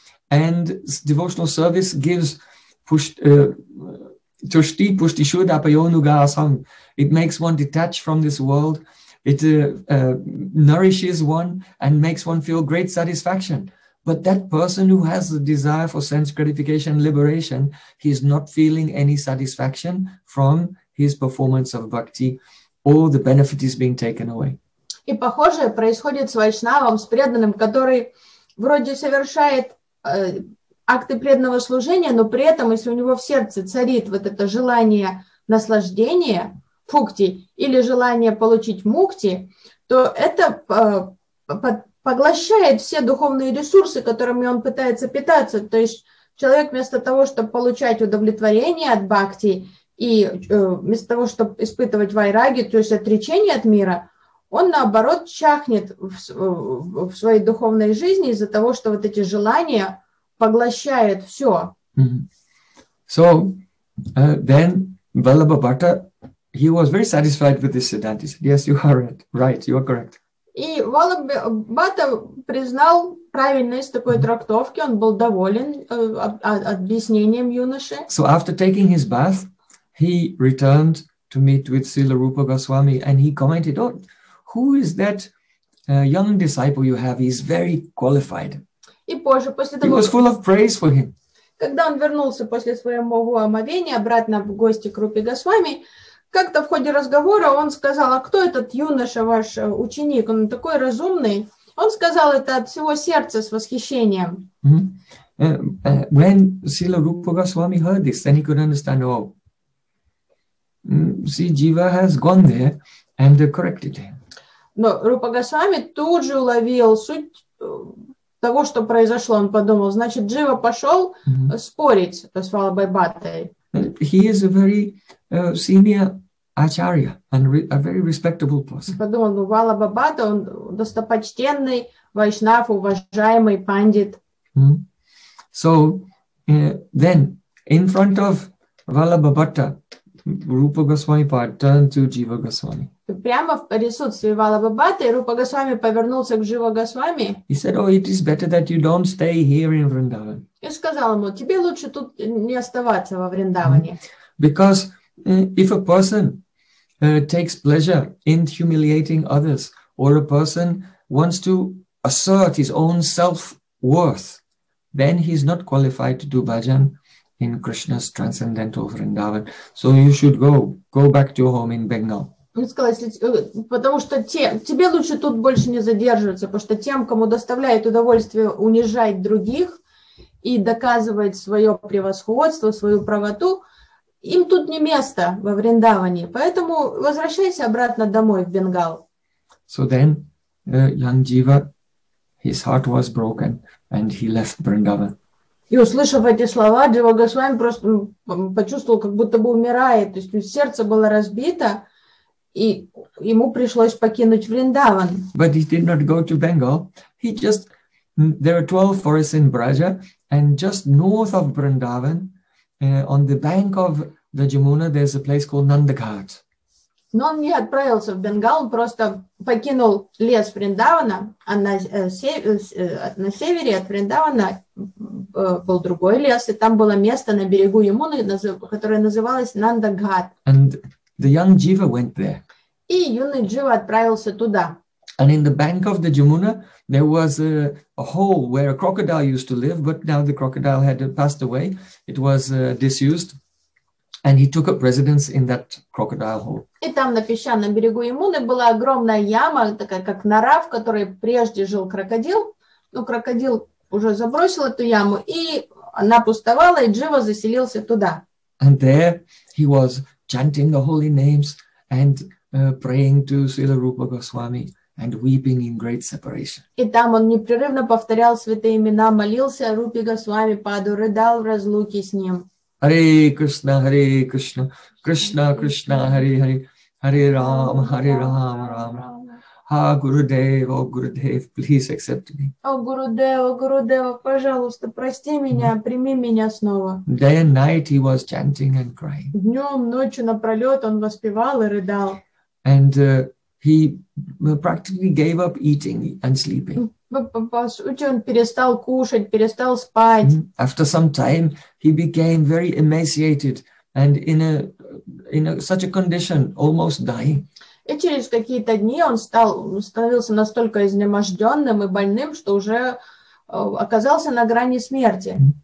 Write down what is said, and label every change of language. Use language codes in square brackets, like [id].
[en] and devotional service gives [sa] tushti pushti shuddha payonuga asam, [en] it makes one detached from this world, it nourishes one and makes one feel great satisfaction. But that person who has the desire for sense gratification, liberation, he is not feeling any satisfaction from his performance of bhakti, or the benefit is being taken away. [ru] И похожее происходит с вайшнавом, с преданным, который вроде совершает акты преданного служения, но при этом, если у него в сердце царит вот это желание наслаждения, пхукти, или желание получить мукти, то это поглощает все духовные ресурсы, которыми он пытается питаться. То есть человек вместо того, чтобы получать удовлетворение от бхакти и вместо того, чтобы испытывать вайраги, то есть отречение от мира, он наоборот чахнет в своей духовной жизни из-за того, что вот эти желания поглощают все. Mm-hmm. [en] So then Vallabha Bhatta, he was very satisfied with this Siddhanta. He said, yes, you are right. Right, you are correct. [ru] И Валлабха Бхатта признал правильность такой трактовки, он был доволен объяснением юноши. [en] So after taking his bath, he returned to meet with Srila Rupa Goswami, and he commented, oh, who is that young disciple you have? He's very qualified. [ru] И позже, после того, [en] he was full of praise for him. [ru] Когда он вернулся после своего омовения обратно в гости к Рупе Госвами, как-то в ходе разговора он сказал, а кто этот юноша, ваш ученик? Он такой разумный. Он сказал это от всего сердца с восхищением. Mm-hmm. [en] When Srila Rupa Goswami heard this, then he could understand, oh, see, Jiva has gone there and corrected him. [ru] Но Рупа Госвами тут же уловил суть того, что произошло. Он подумал, значит, Джива пошел спорить с Валлабхой Бхаттой. [en] He is a very senior acharya and a very respectable person. [ru] Подумал, ну, Валлабха Бхатта, он достопочтенный вайшнав, уважаемый пандит. [en] Mm-hmm. So then, in front of Валлабха Бхатта, Rupa Goswami Pad turned to Jiva Goswami. [ru] Прямо в присутствии Валлабха Бхатты Рупа Госвами повернулся к Джива Госвами. [en] He said, oh, it is better that you don't stay here in Vrindavan. [ru] И сказал ему, тебе лучше тут не оставаться во Вриндаване. [en] Because if a person takes pleasure in humiliating others, or a person wants to assert his own self-worth, then he's not qualified to do bhajan in Krishna's transcendental Vrindavan. So you should go back to your home in Bengal. [ru] Он сказал, потому что тебе лучше тут больше не задерживаться, потому что тем, кому доставляет удовольствие унижать других и доказывать свое превосходство, свою правоту, им тут не место во Вриндаване. Поэтому возвращайся обратно домой в Бенгал. [en] So then, young Jiva, his heart was broken and he left Vrindavan. [ru] И услышав эти слова, Джива Госвами просто почувствовал, как будто бы умирает. То есть сердце было разбито. И ему пришлось покинуть Вриндаван. [en] But he did not go to Bengal. He just, there are 12 forests in Braja, and just north of Vrindavan, on the bank of the Jamuna, there's a place called Nandaghat. [ru] Но он не отправился в Бенгал, он просто покинул лес Вриндавана, а на севере от Вриндавана был другой лес, и там было место на берегу Ямуны, которое называлось Нандаghat. [en] And the young Jiva went there. [ru] И юный Джива отправился туда. [en] And in the bank of the Jamuna, there was a hole where a crocodile used to live, but now the crocodile had passed away. It was disused. And he took up residence in that crocodile hole. [ru] И там на песчаном берегу Емуны была огромная яма, такая как нора, в которой прежде жил крокодил. Но крокодил уже забросил эту яму, и она пустовала, и Джива заселился туда. [en] And there he was chanting the holy names and praying to Srila Rupa Goswami and weeping in great separation. [ru] И там он непрерывно повторял святые имена, молился Рупе Госвами, Паду, рыдал в разлуке с ним. [sa] Hare Krishna, Hare Krishna, Krishna Krishna, Hare Hare, Hare Rama, Hare Rama, Rama Rama. [en] Ha Gurudev, oh Gurudev, please accept me. Oh Gurudev, oh Gurudev, [ru] пожалуйста, прости меня, прими меня снова. [en] Day and night he was chanting and crying. [ru] Днем, ночью напролет он воспевал и рыдал. [en] And he practically gave up eating and sleeping. [ru] По сути, он перестал кушать, перестал спать. [en] After some time, he became very emaciated and in a such a condition, almost dying. [ru] И через какие-то дни он становился настолько изнеможденным и больным, что уже оказался на грани смерти.